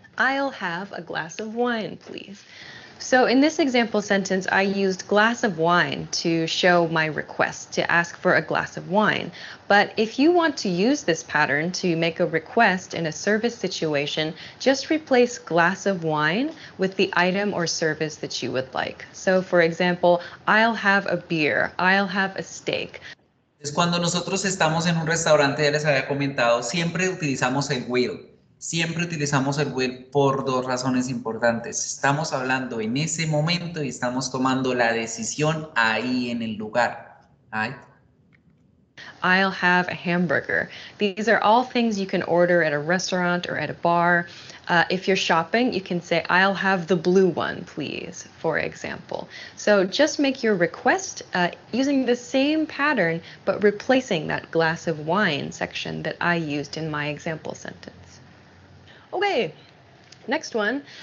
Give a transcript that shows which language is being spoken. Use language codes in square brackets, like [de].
[en] I'll have a glass of wine, please. So in this example sentence, I used glass of wine to show my request, to ask for a glass of wine. But if you want to use this pattern to make a request in a service situation, just replace glass of wine with the item or service that you would like. So for example, I'll have a beer, I'll have a steak. [es] Es cuando nosotros estamos en un restaurante, ya les había comentado, siempre utilizamos el will. Siempre utilizamos el will por dos razones importantes. Estamos hablando en ese momento y estamos tomando la decisión ahí en el lugar. [en] Right? I'll have a hamburger. These are all things you can order at a restaurant or at a bar. If you're shopping, you can say, I'll have the blue one, please, for example. So just make your request using the same pattern, but replacing that glass of wine section that I used in my example sentence. Okay, Next one.